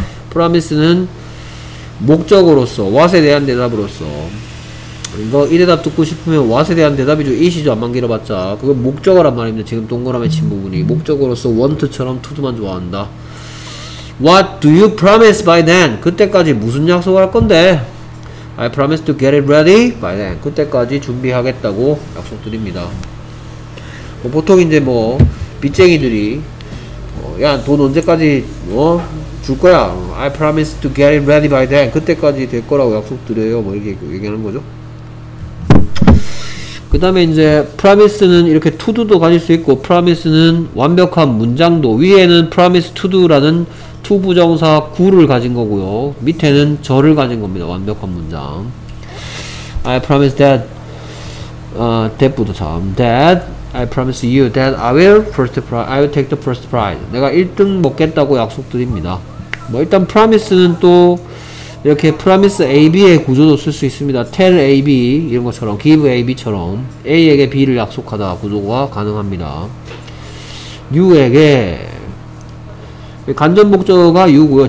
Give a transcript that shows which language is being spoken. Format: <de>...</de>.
<ko>promise는 목적으로서, what에 대한 대답으로서 이거 이 대답 듣고 싶으면 what에 대한 대답이죠. is죠. 안만 길어봤자 그건 목적어란 말입니다. 지금 동그라미 친 부분이 목적으로서 want처럼 to도만 좋아한다.</ko> <en>what do you promise by then?</en> <ko>그때까지 무슨 약속을 할 건데?</ko> <en>I promise to get it ready by then.</en> <ko>그때까지 준비하겠다고 약속드립니다. 뭐 보통 이제 뭐 빚쟁이들이 야, 돈 언제까지 뭐 줄 거야.</ko> <en>I promise to get it ready by then.</en> <ko>그때까지 될 거라고 약속드려요. 뭐 이렇게 얘기하는 거죠. 그 다음에 이제 promise는 이렇게 to do도 가질 수 있고 promise는 완벽한 문장도 위에는 promise to do라는 to 부정사 구를 가진 거고요. 밑에는 저를 가진 겁니다. 완벽한 문장.</ko> <en>I promise that,</en> <ko>that부터 참.</ko> <en>That, I promise you that I will take the first prize.</en> <ko>내가 1등 먹겠다고 약속드립니다. 뭐, 일단 promise는 또, 이렇게 promise AB의 구조도 쓸 수 있습니다. tell AB, 이런 것처럼, give AB처럼, A에게 B를 약속하다 구조가 가능합니다. U에게, 간접 목적어가 U고요.</ko>